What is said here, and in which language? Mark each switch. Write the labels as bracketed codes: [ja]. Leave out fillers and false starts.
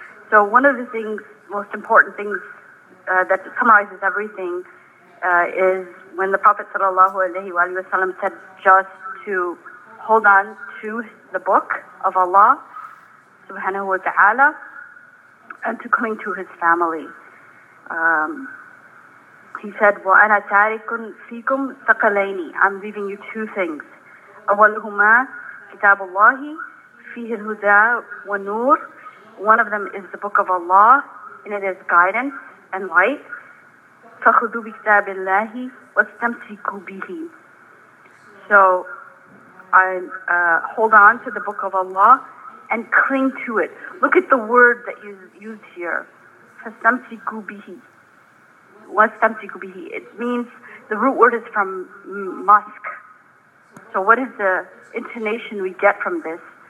[en] So one of the things, most important things that summarizes everything is when the Prophet sallallahu alayhi wa sallam said just to hold on to the book of Allah subhanahu wa ta'ala, and to cling to his family. He said, [ar] وَأَنَا تَارِكٌ فِيكُمْ ثَقَلَيْنِ. [en] I'm leaving you two things. [ar] أَوَلْهُمَا كِتَابُ اللَّهِ فِيهِ الْهُدَى وَالنُّورِ. [en] One of them is the book of Allah, and it is guidance and light. [ar] فخذوا بكتاب الله واستمسكوا به. [en] So I hold on to the book of Allah and cling to it. Look at the word that is used here. [ar] فاستمسكوا به. واستمسكوا به. [en] It means the root word is from musk. So what is the intonation we get from this?